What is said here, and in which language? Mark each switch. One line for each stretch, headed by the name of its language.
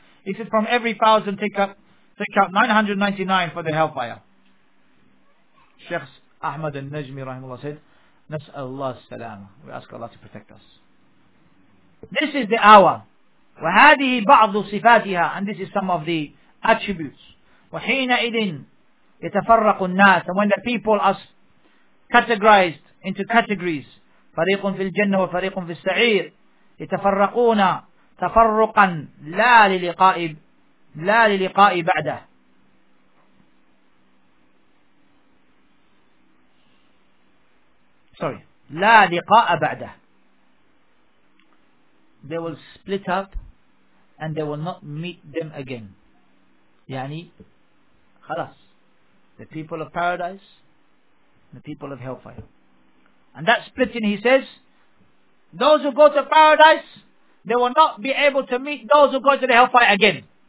English: He said, from every thousand, take out 999 for the hellfire. Sheikh Ahmad al-Najmi rahimahullah said, Nas'Allah salama. We ask Allah to protect us. This is the hour.
Arabic: وهذه بعض صفاتها,
English: and this is some of the attributes.
Arabic: وحينئذ يتفرق الناس,
English: and when the people are categorized into categories,
Arabic: فريق في الجنة وفريق في السعير, يتفرقون تفرقا لا للقاء بعده. Sorry, لا لقاء بعده.
English: They will split up and they will not meet them again.
Arabic: يعني خلاص,
English: the people of paradise, the people of hellfire. And that splitting, he says, those who go to paradise, they will not be able to meet those who go to the hellfire again.